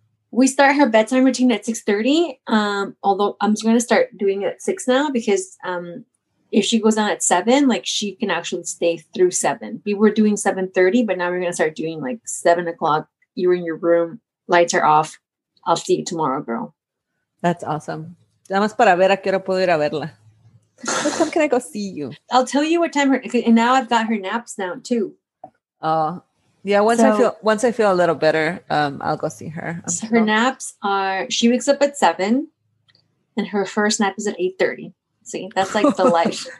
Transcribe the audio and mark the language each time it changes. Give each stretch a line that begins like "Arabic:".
English: We start her bedtime routine at 6:30. Although I'm going to start doing it at 6 now, because if she goes on at 7, like, she can actually stay through 7. We were doing 7:30, but now we're going to start doing like 7 o'clock. You're in your room. Lights are off. I'll see you tomorrow, girl. That's awesome.
Spanish: Nada más para ver a qué hora puedo ir a verla.
English: What time can I go see you? I'll tell you what time. And now I've got her naps down too. Oh, yeah. Once I feel a little better, I'll go see her. So her naps are, she wakes up at 7 and her first nap is at 8:30. See, that's like the life.